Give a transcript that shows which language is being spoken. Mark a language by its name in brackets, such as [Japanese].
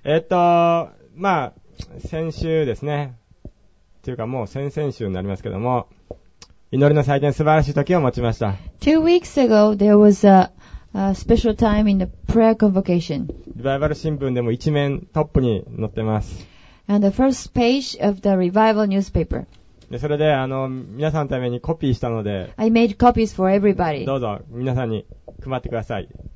[Japanese] まあ、先週ですね、というかもう先々週になりますけども、祈りの祭典素晴らしい時を持ちました。 [English] 2 weeks ago, there was a special time in the prayer convocation. [Japanese] リバイバル新聞でも一面トップに載ってます。 [English] And the first page of the revival newspaper. [Japanese] で、それで、皆さんのためにコピーしたので、 [English] I made copies for everybody. [Japanese] どうぞ、皆さんに配ってください。